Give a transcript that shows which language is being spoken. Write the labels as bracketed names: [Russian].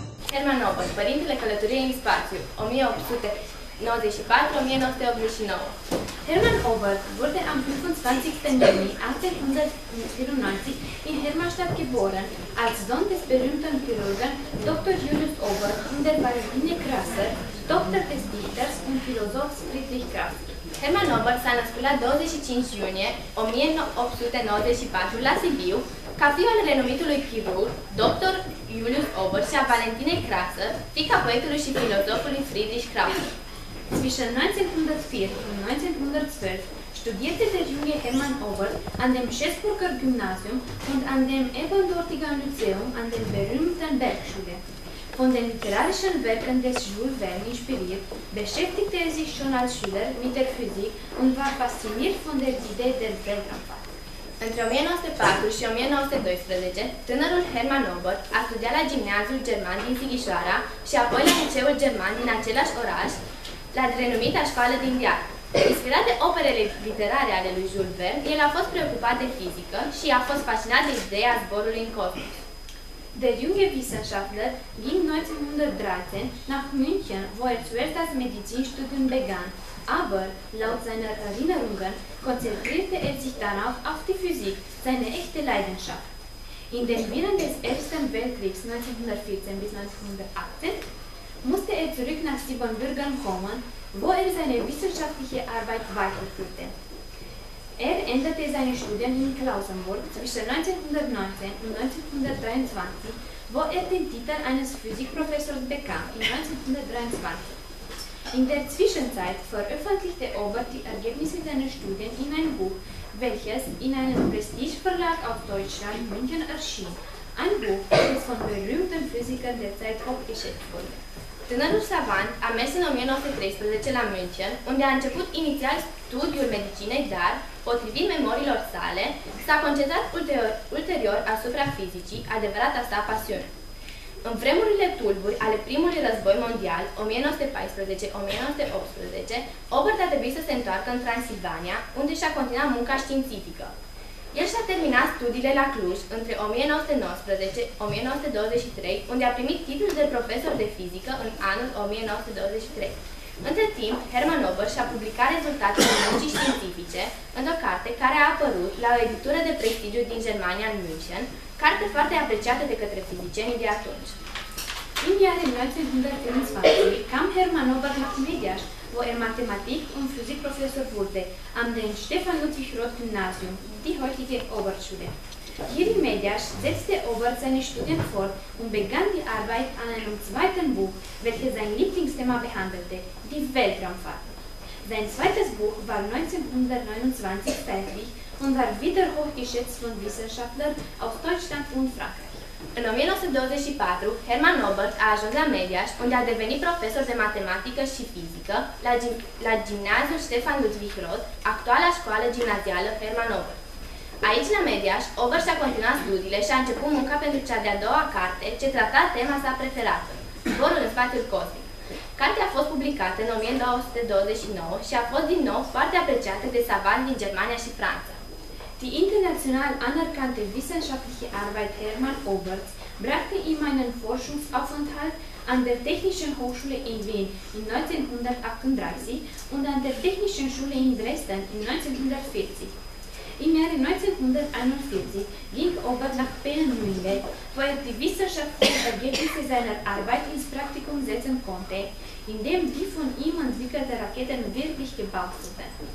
[Romanian] Cernobâl, Părintele Călătoriei în spațiu, 1894-1989. [German] Hermann Oberth wurde am 25. Juni 1894 in Hermannstadt geboren als Sohn des berühmten Chirurgen Dr. Julius Oberth und der Valentine Krasser, Tochter des Dichters und Philosophs Friedrich Krasser. [Romanian] Hermann Oberth s-a născut la 25 iunie 1894 la Sibiu, ca fiul al renumitului chirurg Dr. Julius Oberth și a Valentinei Krasser, fiica poetului și filozofului Friedrich Krasser. [German] Zwischen 1904 und 1912 studierte der junge Hermann Oberth an dem Schäßburger Gymnasium und an dem Eberndorfiger Lyzeum an der berühmten Bergschule. Von den literarischen Werken des Jules Verne inspiriert, beschäftigte er sich schon als Schüler mit der Physik und war fasziniert von der Idee der Weltraumfahrt. [Romanian] Între 1904 și 1912, tânărul Hermann Oberth a studiat la Gimnaziul German din Sighișoara și apoi la Liceul German din același oraș, la renumita școală din Deal. Inspirat de operele literare ale lui Jules Verne, el a fost preocupat de fizică și a fost fascinat de ideea zborului în cosmos. [German] Der junge Wissenschaftler ging 1913 nach München, wo er zuerst das Medizinstudium begann. Aber, laut seiner Erinnerungen, konzentrierte er sich darauf auf die Physik, seine echte Leidenschaft. In den Wirren des Ersten Weltkriegs 1914 bis 1918 musste er zurück nach Siebenbürgen kommen, wo er seine wissenschaftliche Arbeit weiterführte. Er endete seine Studien in Klausenburg zwischen 1919 und 1923, wo er den Titel eines Physikprofessors bekam, in 1923. In der Zwischenzeit veröffentlichte Oberth die Ergebnisse seiner Studien in ein Buch, welches in einem Prestigeverlag aus Deutschland, München, erschien. Ein Buch, das von berühmten Physikern der Zeit hochgeschätzt wurde. [Romanian] Tânărul savant a mers în 1913 la München, unde a început inițial studiul medicinei, dar, potrivit memoriilor sale, s-a concentrat ulterior asupra fizicii, adevărata sa pasiune. În vremurile tulburi ale primului război mondial, 1914-1918, Oberth a trebuit să se întoarcă în Transilvania, unde și-a continuat munca științifică. El și-a terminat studiile la Cluj între 1919-1923, unde a primit titlul de profesor de fizică în anul 1923. Între timp, Hermann Oberth și-a publicat rezultatele muncii științifice într-o carte care a apărut la o editură de prestigiu din Germania, în München, carte foarte apreciată de către fizicienii de atunci. În iarul 1923, cam Hermann Oberth la Mediaș, [German] wo er Mathematik und Physikprofessor wurde, am den Stefan-Ludwig-Roth-Gymnasium, die heutige Oberschule. Hier in Mediasch setzte Oberth seine Studien fort und begann die Arbeit an einem zweiten Buch, welches sein Lieblingsthema behandelte, die Weltraumfahrt. Sein zweites Buch war 1929 fertig und war wieder hochgeschätzt von Wissenschaftlern aus Deutschland und Frankreich. [Romanian] În 1924, Hermann Oberth a ajuns la Mediaș, unde a devenit profesor de matematică și fizică la gimnaziul Stefan Ludwig Roth, actuala școală gimnazială Hermann Oberth. Aici, la Mediaș, Oberth a continuat studiile și a început munca pentru cea de-a doua carte, ce trata tema sa preferată, Zborul în spațiul cosmic. Cartea a fost publicată în 1929 și a fost din nou foarte apreciată de savanți din Germania și Franța. [German] Die international anerkannte wissenschaftliche Arbeit Hermann Oberths brachte ihm einen Forschungsaufenthalt an der Technischen Hochschule in Wien in 1938 und an der Technischen Schule in Dresden in 1940. Im Jahre 1941 ging Oberth nach Bellmühle, wo er die wissenschaftlichen Ergebnisse seiner Arbeit ins Praktikum setzen konnte, indem die von ihm entwickelte Raketen wirklich gebaut wurden.